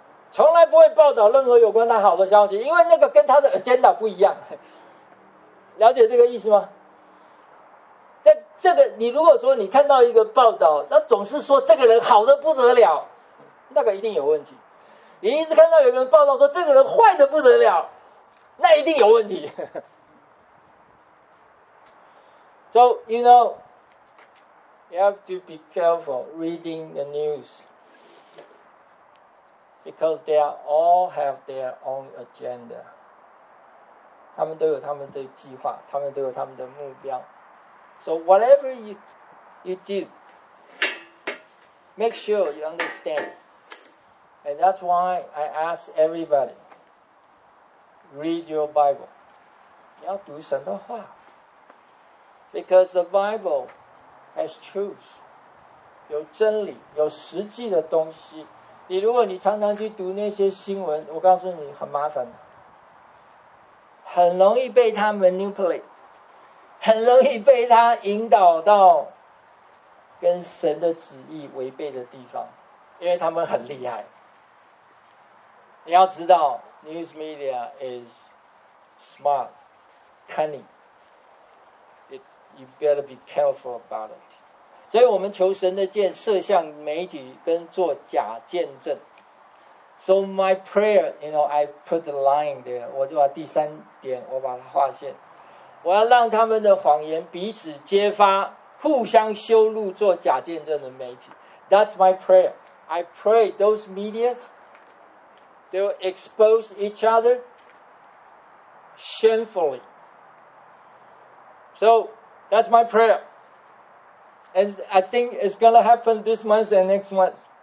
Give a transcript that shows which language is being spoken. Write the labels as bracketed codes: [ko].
[zh] 从来不会报道任何有关他好的消息，因为那个跟他的 agenda 不一样。了解这个意思吗？但这个，你如果说你看到一个报道，那总是说这个人好的不得了，那个一定有问题。你一直看到有人报道说这个人坏的不得了，那一定有问题。 [en] So, you know,You have to be careful reading the news because they all have their own agenda. [zh] 他们都有他们的计划，他们都有他们的目标。 [en] So whatever you do, make sure you understand. And that's why I ask everybody, read your Bible. [zh] 你要读神的话。 [en] Because the Bible,as truth, [zh] 有真理，有实际的东西。你如果你常常去读那些新闻，我告诉你很麻烦，很容易被他 manipulate, 很容易被他引导到跟神的旨意违背的地方，因为他们很厉害。你要知道 [en] ，news media is smart, cunning. You better be careful about it. [zh] 所以我们求神的箭射向媒体跟做假见证。 [en] So my prayer, you know, I put the line there. [zh] 我就把第三点，我把它划线。我要让他们的谎言彼此揭发，互相羞辱，做假见证的媒体。 [en] That's my prayer. I pray those medias, they'll expose each other shamefully. So that's my prayer. And I think it's going to happen this month and next month.